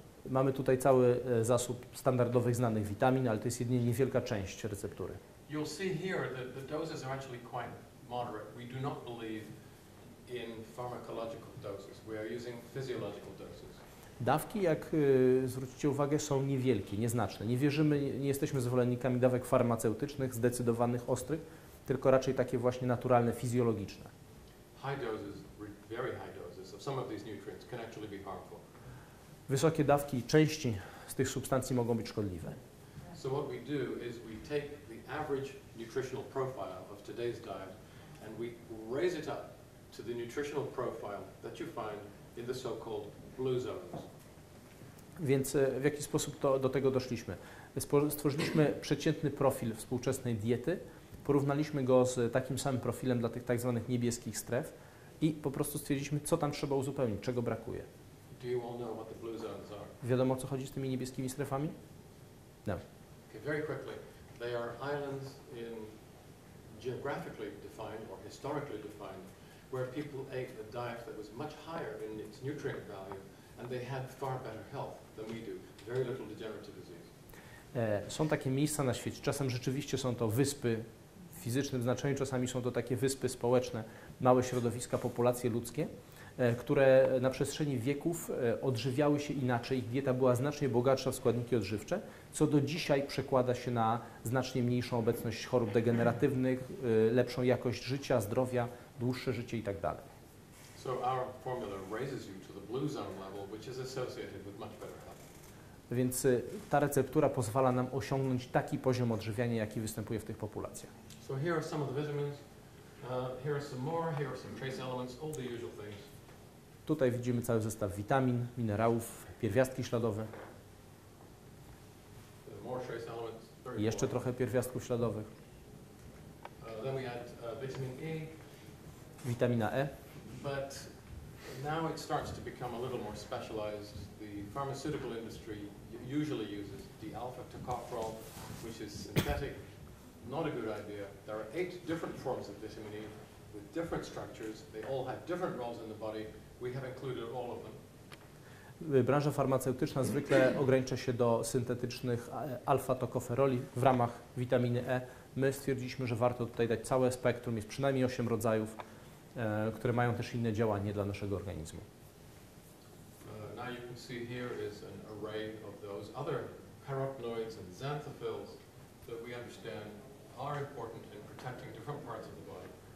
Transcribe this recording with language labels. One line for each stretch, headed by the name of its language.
Polish: Mamy tutaj cały zasób standardowych znanych witamin, ale to jest jedynie niewielka część receptury.
English: You'll see here that the doses are actually quite moderate. We do not believe in pharmacological doses. We are using physiological doses.
Polish: Dawki, jak zwrócicie uwagę, są niewielkie, nieznaczne. Nie wierzymy, nie jesteśmy zwolennikami dawek farmaceutycznych, zdecydowanych, ostrych, tylko raczej takie właśnie naturalne, fizjologiczne.
English: High doses, very high doses of some of these nutrients can actually be harmful.
Polish: Wysokie dawki części z tych substancji mogą być szkodliwe.
English: So what we do is we take average nutritional profile of today's diet and we raise it up to the nutritional profile that you find in the so-called blue zones.
Polish: Więc w jaki sposób do tego doszliśmy? Stworzyliśmy przeciętny profil współczesnej diety, porównaliśmy go z takim samym profilem dla tych tak zwanych niebieskich stref i po prostu stwierdziliśmy, co tam trzeba uzupełnić, czego brakuje.
English: Do you all know what the blue zones are?
Polish: Wiadomo, co chodzi z tymi niebieskimi strefami? No.
English: Okay, very quickly. They are islands in geographically defined or historically defined where people ate a diet that was much higher in its nutrient value and they had far better health than we do, very little degenerative disease.
Polish: Są takie miejsca na świecie, czasem rzeczywiście są to wyspy w fizycznym znaczeniu, czasami są to takie wyspy społeczne, małe środowiska, populacje ludzkie, które na przestrzeni wieków odżywiały się inaczej, ich dieta była znacznie bogatsza w składniki odżywcze, co do dzisiaj przekłada się na znacznie mniejszą obecność chorób degeneratywnych, lepszą jakość życia, zdrowia, dłuższe życie i tak dalej.
English: So our formula raises you to the blue zone level, which is associated with much better health.
Polish: Więc ta receptura pozwala nam osiągnąć taki poziom odżywiania, jaki występuje w tych populacjach.
English: So here are some of the vitamins. Here are some more, here are some trace elements, all the usual things.
Polish: Tutaj widzimy cały zestaw witamin, minerałów, pierwiastki śladowe.
English: More trace elements,
Polish: i jeszcze trochę pierwiastków śladowych.
English: Then we add vitamin E.
Polish: Witamina E.
English: But now it starts to become a little more specialized. The pharmaceutical industry usually uses D-alpha tocopherol, which is synthetic. Not a good idea. There are 8 different forms of vitamin E with different structures. They all have different roles in the body. We have included all of them.
Polish: Branża farmaceutyczna zwykle ogranicza się do syntetycznych alfa-tokoferoli w ramach witaminy E. My stwierdziliśmy, że warto tutaj dać całe spektrum, jest przynajmniej 8 rodzajów, które mają też inne działanie dla naszego organizmu.
English: Now you can see here is an array of those other carotenoids and xanthophylls that we understand are important in protecting different parts of the body.